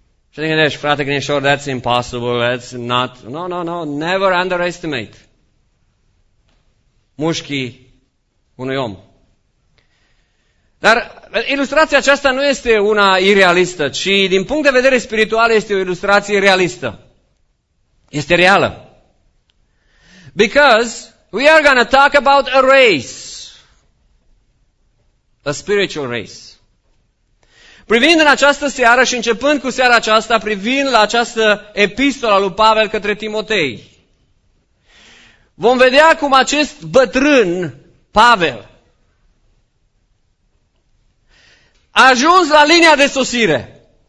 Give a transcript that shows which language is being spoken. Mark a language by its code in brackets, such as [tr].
[ro] Și te gândești, frate Grinșor, [en] that's impossible, that's not... No, never underestimate [ro] mușchii unui om. Dar ilustrația aceasta nu este una irealistă, ci din punct de vedere spiritual este o ilustrație realistă. Este reală. [en] Because we are going to talk about a race. A spiritual race. [ro] Privind în această seară și începând cu seara aceasta, privind la această epistolă a lui Pavel către Timotei, vom vedea cum acest bătrân, Pavel, a ajuns la linia de sosire.